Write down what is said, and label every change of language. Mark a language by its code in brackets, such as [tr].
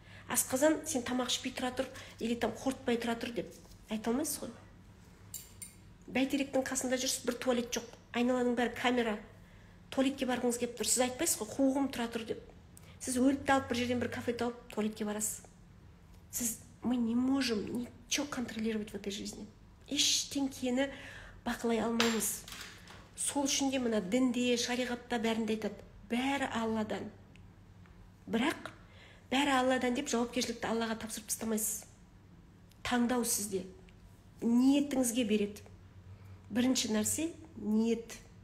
[kk] Асқазан сен тамақ ішпей тұра тұр, или там қорытпай тұра тұр деп айта алмайсыз ғой. Бәйтеректің қасында жүрсіз, бір туалет жоқ, айналаның бәрі камера, туалетке барғыңыз келіп тұр, сіз айтпайсыз ғой, қуығым тұра тұр деп. Сіз өліпті алып, бір жерден бір кафе тауып туалетке барасыз. Сіз [ru] мы не можем ничего контролировать в этой жизни. [kk] Ештеңкені бақылай алмаймыз. Сол үшін де мына дінде, шариғатта бәрінде айтады, бәрі Алладан. Бірақ бәрі Алладан деп жауапкершілікті Аллаға тапсырып тастамайсыз. Таңдау сізде, ниетіңізге береді. Бірінші нәрсе ниет.